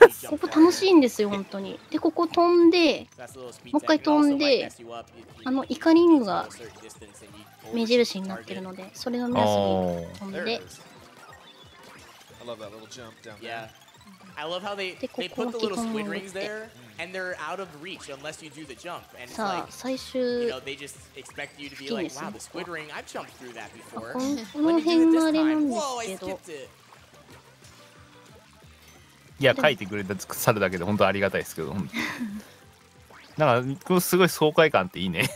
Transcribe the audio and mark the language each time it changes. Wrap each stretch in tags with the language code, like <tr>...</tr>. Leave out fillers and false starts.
<ja>ここ楽しいんですよ本当に。で、ここ飛んでもう一回飛んで、あのイカリングが目印になってるので、それの目安に飛んで、で、ここを基本に乗って、</ja> <en>and they're out of reach unless you do the jump. And</en> <ja>さあ、最終、</ja> <en>you know, they just expect you to be like, wow, the squid ring, I've jumped through that before.</en> <ja>この辺のあれなんですけど、いや、書いてくれた猿だけで本当ありがたいですけど、なんかこのすごい爽快感っていいね。</ja>